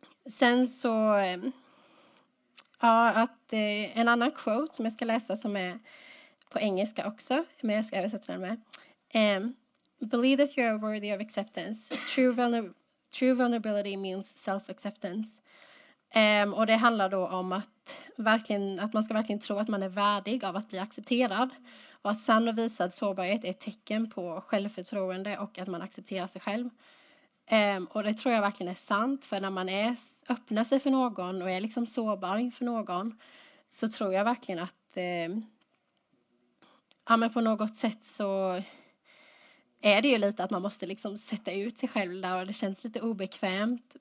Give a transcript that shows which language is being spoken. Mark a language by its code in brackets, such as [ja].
[sv] Sen så, ja, att en annan quote som jag ska läsa som är på engelska också, men jag ska översätta den med. [en] Believe that you are worthy of acceptance. True vulnerability means self-acceptance. [sv] Och det handlar då om att verkligen, att man ska verkligen tro att man är värdig av att bli accepterad. Och att sann och visad sårbarhet är ett tecken på självförtroende och att man accepterar sig själv. Och det tror jag verkligen är sant. För när man är, öppnar sig för någon och är liksom sårbar inför någon, så tror jag verkligen att på något sätt så är det ju lite att man måste liksom sätta ut sig själv där och det känns lite obekvämt.